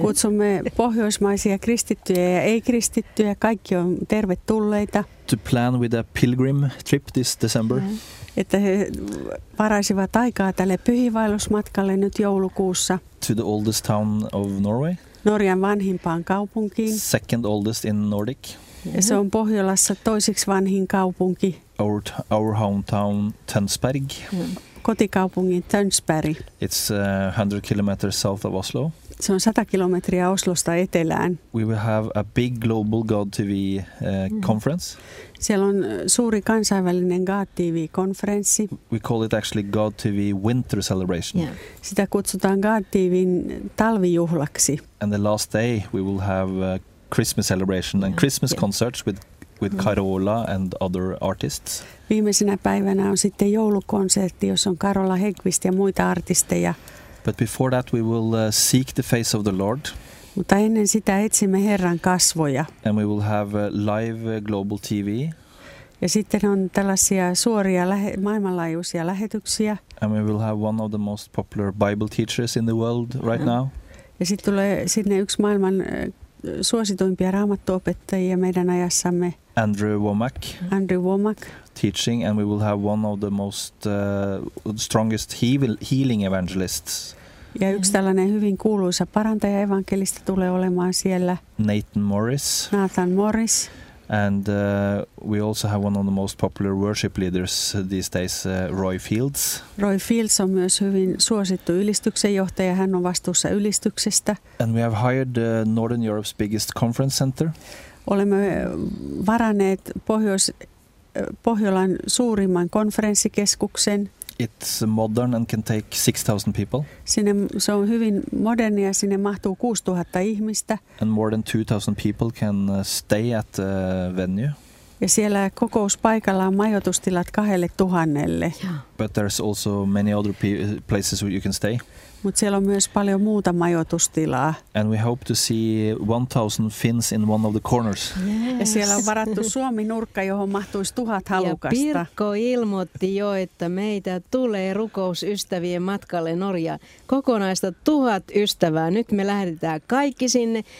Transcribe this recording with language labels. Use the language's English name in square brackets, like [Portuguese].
[Finnish] Kutsumme pohjoismaisia kristittyjä ja ei-kristittyjä. Kaikki on tervetulleita. [English] To plan with a pilgrim trip this December. Yeah. [Finnish] Että he varaisivat aikaa tälle pyhiinvaellusmatkalle nyt joulukuussa. [English] To the oldest town of Norway. [Finnish] Norjan vanhimpaan kaupunkiin. [English] Second oldest in Nordic. Yeah. [Finnish] Ja se on Pohjolassa toiseksi vanhin kaupunki. [English] Our hometown, Tønsberg. Yeah. [Finnish] Kotikaupungin Tønsberg. [English] It's 100 kilometers south of Oslo. [Finnish] Se on 100 kilometriä Oslosta etelään. [English] We will have a big global God TV conference. [Finnish] Siellä on suuri kansainvälinen God TV -konferenssi. [English] We call it actually God TV winter celebration. Yeah. [Finnish] Sitä kutsutaan God TV:n talvijuhlaksi. [English] And the last day we will have a Christmas celebration and Christmas concerts with Carola and other artists. [Finnish] Viimeisenä päivänä on sitten joulukonsertti, jossa on Carola Häggkvist ja muita artisteja. [English] But before that we will seek the face of the Lord. [Finnish] Mutta ennen sitä etsimme Herran kasvoja. [English] And we will have live global TV. [Finnish] Ja sitten on tällaisia suoria maailmanlaajuisia lähetyksiä. [English] And we will have one of the most popular Bible teachers in the world right now. [Finnish] Ja sitten tulee sinne yksi maailman suosituimpia raamattuopettajia meidän ajassamme. [English] Andrew Womack. [Finnish] Andrew Womack. [English] Teaching, and we will have one of the most strongest healing evangelists. [Finnish] Ja yksi tällainen hyvin kuuluisa parantaja evankelista tulee olemaan siellä. [English] Nathan Morris. And we also have one of the most popular worship leaders these days, Roy Fields. [Finnish] Roy Fields on myös hyvin suosittu ylistyksen johtaja. Hän on vastuussa ylistyksestä. [English] And we have hired Northern Europe's biggest conference center. [Finnish] Olemme varanneet Pohjolan suurimman konferenssikeskuksen. [English] It's modern and can take 6,000 people. [Finnish] Sinne, se on hyvin moderni ja sinne mahtuu 6,000 ihmistä. [English] And more than 2,000 people can stay at the venue. [Finnish] Ja siellä kokouspaikalla on majoitustilat 2,000. [English] But there's also many other places where you can stay. [Finnish] Mut siellä on myös paljon muuta majoitustilaa. [English] And we hope to see 1,000 Finns in one of the corners. [Finnish] Yes. Ja siellä on varattu Suomi-nurkka, johon mahtuisi 1,000 halukasta. Ja Pirkko ilmoitti jo, että meitä tulee rukousystävien matkalle Norjaan. Kokonaista 1,000 ystävää. Nyt me lähdetään kaikki sinne.